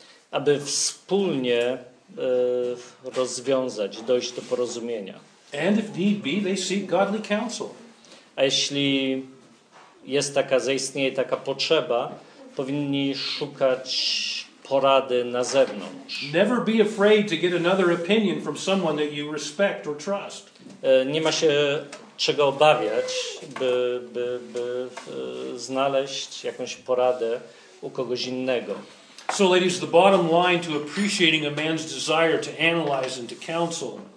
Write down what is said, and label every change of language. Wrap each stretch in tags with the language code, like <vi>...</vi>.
<pl>Aby wspólnie rozwiązać, dojść do porozumienia.</pl> <en>And if need be, they seek godly counsel.</en> <pl>A jeśli jest taka, zaistnieje taka potrzeba, powinni szukać porady na zewnątrz.</pl> <en>Never be afraid to get another opinion from someone that you respect or trust.</en> <pl>Nie ma się czego obawiać, by znaleźć jakąś poradę u kogoś innego.</pl> <en>So ladies, the bottom line to appreciating a man's desire to analyze and to counsel.</en>